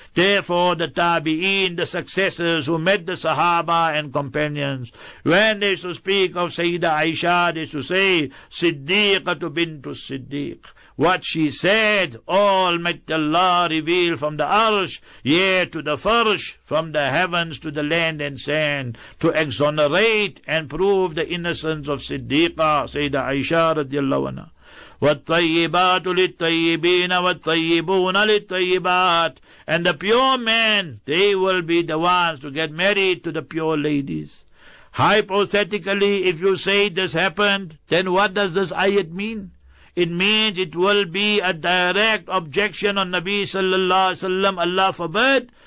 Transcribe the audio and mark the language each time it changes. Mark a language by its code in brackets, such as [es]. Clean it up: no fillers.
[en] Therefore, the Tabi'een, the successors who met the Sahaba and companions, when they used to speak of Sayyida Aisha, they used to say, Siddiqa to bintu Siddiq. What she said, all might Allah reveal from the arsh, yea, to the farsh, from the heavens to the land and sand, to exonerate and prove the innocence of Siddiqa, Sayyida Aisha radiallahu anha. [ar] والطيبات للطيبين والطيبون للطيبات. [en] And the pure men, they will be the ones to get married to the pure ladies. Hypothetically, if you say this happened, then what does this ayat mean? It means it will be a direct objection on Nabi sallallahu alaihi wasallam. Allah forbid.